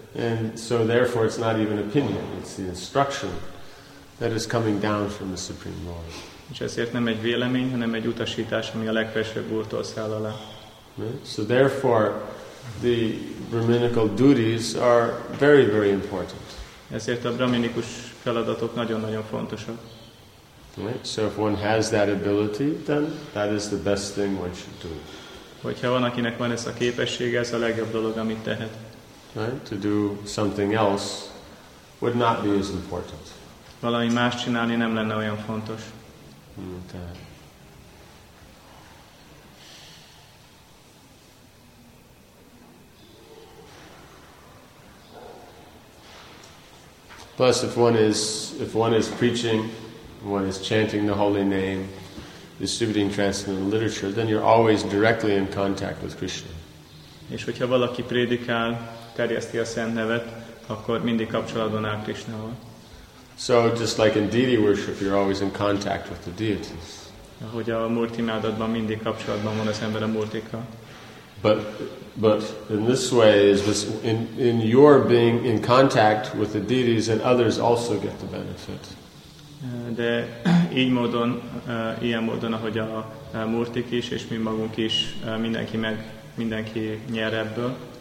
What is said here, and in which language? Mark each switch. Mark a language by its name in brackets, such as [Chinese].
[English] And so therefore it's not even opinion, it's the instruction that is coming down from the Supreme Lord. [Hungarian] És ezért nem egy vélemény, hanem egy utasítás, ami a legfelsőbb úrtól száll alá. [English] So therefore, the brahminical duties are very, very important. [Hungarian] Ezért a brahminikus feladatok nagyon-nagyon fontosak. [English] Right? So if one has that ability, then that is the best thing one should do. [Hungarian] Hogyha van, akinek van ez a képesség, ez a legjobb dolog, amit tehet. [English] Right? To do something else would not be as important. [Hungarian] Valami más csinálni nem lenne olyan fontos. [English] Plus, if one is preaching, one is chanting the holy name, distributing transcendental literature, then you're always directly in contact with Krishna. [Hungarian] És hogyha valaki prédikál, terjeszti a szent nevet, akkor mindig kapcsolatban áll Krishnával. [English] So just like in deity worship, you're always in contact with the deities. [Hungarian] Ahogy a murti imádatban mindig kapcsolatban van az ember a murtikkal. [English] But in this way is this in your being in contact with the deities and others also get the benefit. [Hungarian] De így módon, ilyen módon, ahogy a murtik is és mi magunk is, mindenki nyer ebből.